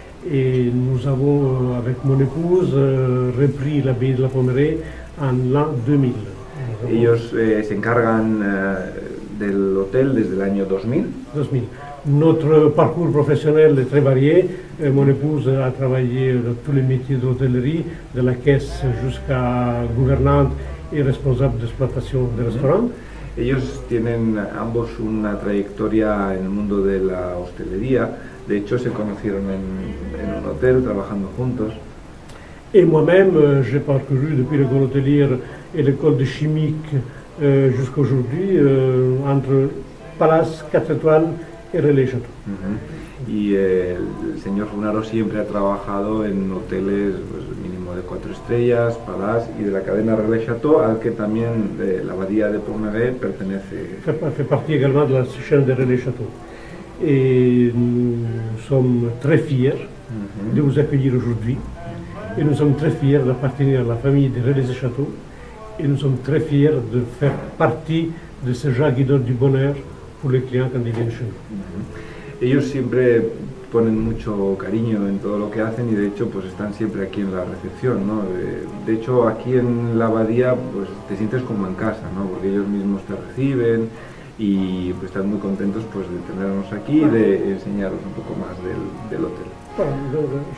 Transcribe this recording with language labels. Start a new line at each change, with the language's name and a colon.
French: Et nous avons, avec mon épouse, repris l'abbaye de la Pommeraye en l'an 2000.
Spanish: Ellos se encargan del hotel desde el año 2000.
French: 2000. Notre parcours professionnel est très varié. Mon épouse a travaillé dans tous les métiers d'hôtellerie, de la caisse jusqu'à gouvernante et responsable d'exploitation de restaurant.
Spanish: Ellos tienen ambos una trayectoria en el mundo de la hostelería. De hecho, se conocieron en un hotel trabajando juntos.
French: Et moi-même, j'ai parcouru depuis l'école hôtelière et l'école de chimique jusqu'à aujourd'hui entre Palace, 4 étoiles et Relais Château.
Spanish: Y el señor Funaro siempre ha trabajado en hoteles pues, mínimo de 4 estrellas, Palace y de la cadena Relais Château, al que también la abadía de Pomereux pertenece.
French: Fait partie également de la chaîne de Relais Château. Et nous sommes très fiers de vous accueillir aujourd'hui. Et nous sommes très fiers d'appartenir à la famille de Relais et Château. Et nous sommes très fiers de faire partie de ces gens qui donnent du bonheur pour les clients quand ils viennent chez nous.
Spanish: Ellos siempre ponen mucho cariño en todo lo que hacen y de hecho pues están siempre aquí en la recepción, ¿no? De hecho aquí en la abadía pues te sientes como en casa, ¿no? Porque ellos mismos te reciben y pues están muy contentos pues de tenernos aquí y de enseñaros un poco más del hotel.